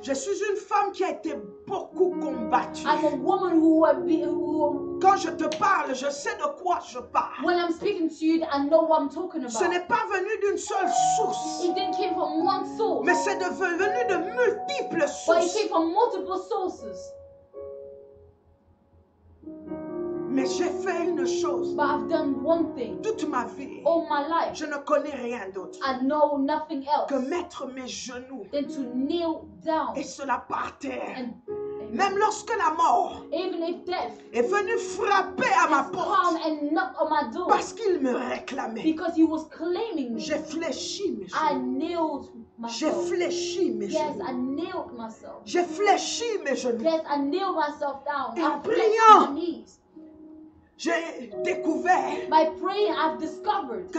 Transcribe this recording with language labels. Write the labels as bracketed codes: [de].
[fr] Je suis une femme qui a été beaucoup combattue. [en] I'm a woman who has been [fr] Quand je te parle, je sais de quoi je parle. [en] When I'm speaking to you, I know what I'm talking about. [fr] Ce n'est pas venu d'une seule source. [en] It didn't came from one source. [fr] Mais c'est venu de multiples sources. [en] But it came from multiple sources. [fr] Mais j'ai fait une chose. [en] But I've done one thing. [fr] Toute ma vie. [en] All my life. [fr] Je ne connais rien d'autre. [en] I know nothing else. [fr] Que mettre mes genoux. [en] Than to kneel down. [fr] Et cela par terre. [en] And [fr] même lorsque la mort [en] even if death [fr] est venue frapper à ma porte [en] and knocked on my door [fr] parce qu'il me réclamait. [en] Because he was claiming me. [fr] J'ai fléchi mes genoux. [en] I kneeled myself. [fr] J'ai fléchi mes [en] yes, [fr] genoux. [en] I kneeled myself. [fr] J'ai fléchi mes genoux. [en] Yes, I kneeled myself down. [fr] Et [en] I [fr] priant, [en] my knees. [fr] J'ai découvert [en] by praying, I've discovered